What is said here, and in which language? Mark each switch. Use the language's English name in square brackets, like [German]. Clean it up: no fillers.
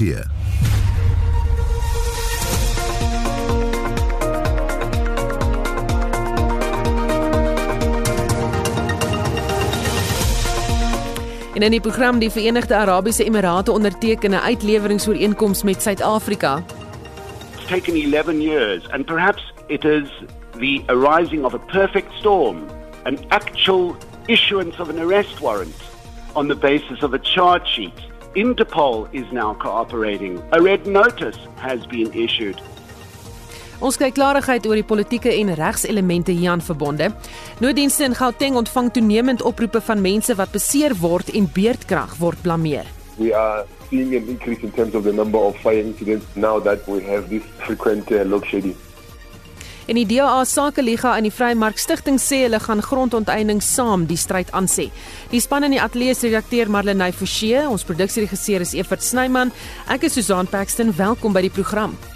[Afrikaans] En in die program die Verenigde Arabiese Emirate onderteken 'n uitleweringsooreenkoms met Suid-Afrika. [English] It's taken 11 years and perhaps it is the arising of a perfect storm, an actual issuance of an arrest warrant on the basis of a charge sheet. Interpol is now cooperating. A red notice has been issued. [Afrikaans] Ons kry klarigheid oor die politieke en regselemente hier aan verbonde. Nooddienste in Gauteng ontvang toenemend oproepe van mense wat beseer word en beerdkrag word blameer. [English] We are seeing an increase in terms of the number of fire incidents now that we have this frequent load shedding. [Afrikaans] En die DA Sakeliga en die Vrymark Stichting sê hulle gaan grondonteiening saam die stryd aansê. Die span in die ateljee is redakteur Marlenae Forsie, ons produksieregisseur is Evert Snyman. Ek is Susan Paxton, welkom by die program.